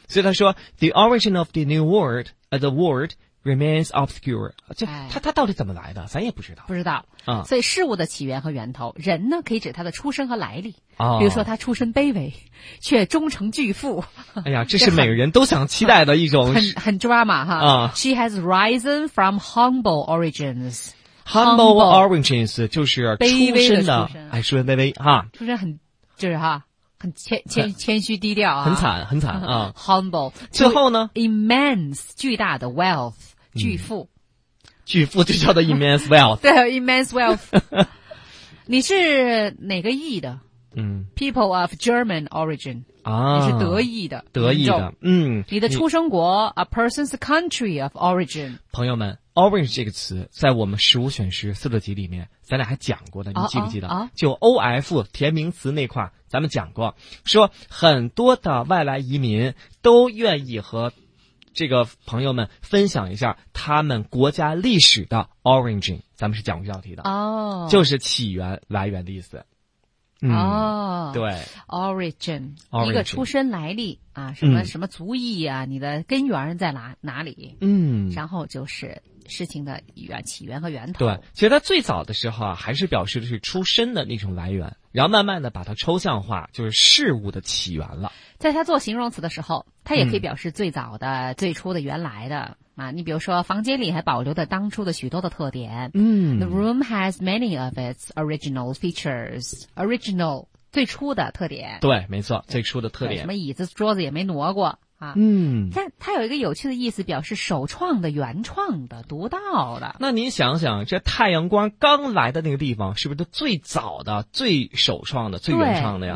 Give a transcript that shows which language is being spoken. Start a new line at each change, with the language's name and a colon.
Chinese: 所以他说
English: ，the origin of the new word， the word remains obscure。
Chinese: 这它到底怎么来的，咱也不知道。不知道啊。所以事物的起源和源头，人呢可以指他的出身和来历。哦，比如说他出身卑微，却终成巨富。哎呀，这是每个人都想期待的一种。很 drama 哈。啊。
English: She has risen from humble origins。 Humble origins
Chinese: 就是出身的，哎，出身卑微哈，出身很就是哈，谦虚低调啊，很惨很惨啊。 humble，最后呢？immense 巨大的 wealth 巨富，巨富就叫做
English: immense wealth。
Chinese: 对 ，
English: immense wealth。
Chinese: 你是哪个裔的？嗯
English: ，people of German origin
Chinese: 啊，你是德裔的，德裔的。嗯，你的出生国
English: a person's country of origin。
Chinese: 朋友们 ，orange 这个词在我们十五选十四六级里面，咱俩还讲过的，你记不记得？就 of 填名词那块，咱们讲过，说很多的外来移民都愿意和这个朋友们分享一下他们国家历史的 origin， 咱们是讲过这道题的哦，就是起源来源的意思。哦，对，origin，一个出身来历啊，什么什么族裔啊，你的根源在哪里？嗯，然后就是事情的起源和源头。对，其实它最早的时候啊，还是表示的是出身的那种来源，然后慢慢的把它抽象化，就是事物的起源了。在它做形容词的时候，它也可以表示最早的、最初的、原来的。啊，你比如说房间里还保留着当初的许多的特点。嗯
English: ，The room has many of its original features.
Chinese: Original 最初的特点。对，没错，最初的特点。什么椅子、桌子也没挪过啊。嗯，但它有一个有趣的意思，表示首创的、原创的、独到的。那您想想，这太阳光刚来的那个地方，是不是最早的、最首创的、最原创的呀？